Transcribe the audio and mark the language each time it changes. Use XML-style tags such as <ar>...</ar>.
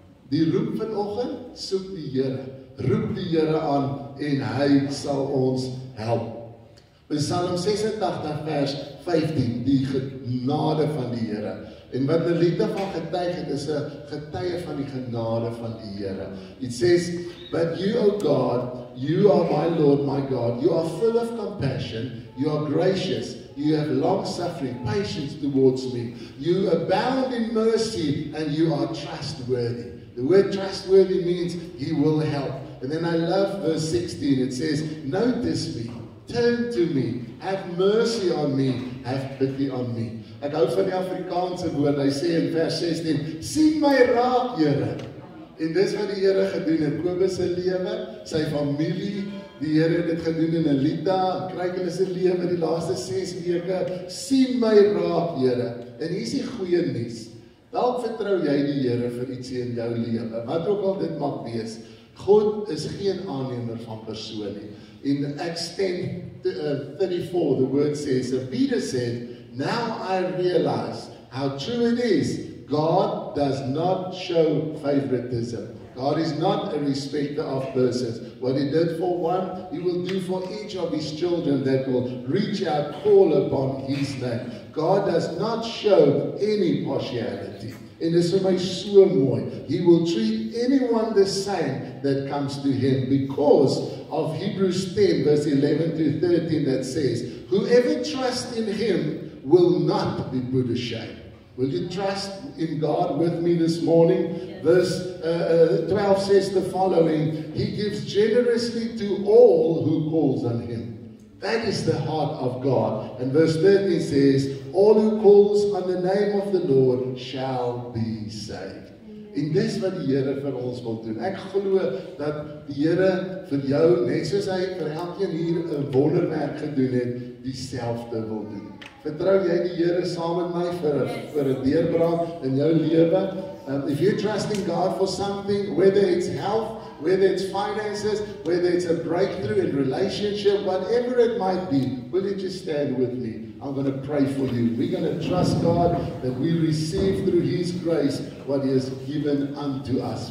<af>Die roep vanoggend, soek die Here, roep die Here aan en hy sal ons help. In Psalm 86 vers 15, die genade van die Here. En wat Nelita van getuig het, is 'n getuie van die genade van die Here.</af> <en>It says, but you, O God, you are my Lord, my God. You are full of compassion. You are gracious. You have long-suffering, patience towards me. You abound in mercy and you are trustworthy. The word trustworthy means he will help. And then I love verse 16. It says, notice me, turn to me, have mercy on me, have pity on me.</en> <af>Ek hou van die Afrikaanse woord. Hy sê in vers 16, sien my raak, Here. En dis wat die Here gedoen het. Kobus se lewe, sy familie, die Here het dit gedoen in Nelita, kryk hulle se lewe die laaste 6 weke. Sien my raak, Here. En hier is die goeie nuus. Dalk vertrou jy die Here vir ietsie in jou lewe, wat ook al dit mag wees. God is geen aannemer van persoon nie.</af> <en>In Acts 10:34, the word says, and Peter said, now I realize how true it is. God does not show favoritism. God is not a respecter of persons. What he did for one, he will do for each of his children that will reach out, call upon his name. God does not show any partiality.</en> <af>En dis vir my so mooi.</af> <en>He will treat anyone the same that comes to him because of Hebrews 10 verse 11 to 13 that says, whoever trusts in him will not be put to shame. Will you trust in God with me this morning? Yes. Verse 12 says the following, he gives generously to all who calls on him. That is the heart of God. And verse 13 says, all who calls on the name of the Lord shall be saved.</en> <af>En dis wat die Here vir ons wil doen. Ek glo dat die Here vir jou, net soos hy vir elkeen hier 'n wonderwerk gedoen het, dieselfde wil doen. Vertrou jy die Here saam met my vir 'n deurbraak in jou lewe?</af> <en>If you're trusting God for something, whether it's health, whether it's finances, whether it's a breakthrough in relationship, whatever it might be, will you just stand with me? I'm going to pray for you. We're going to trust God that we receive through His grace what He has given unto us.</en>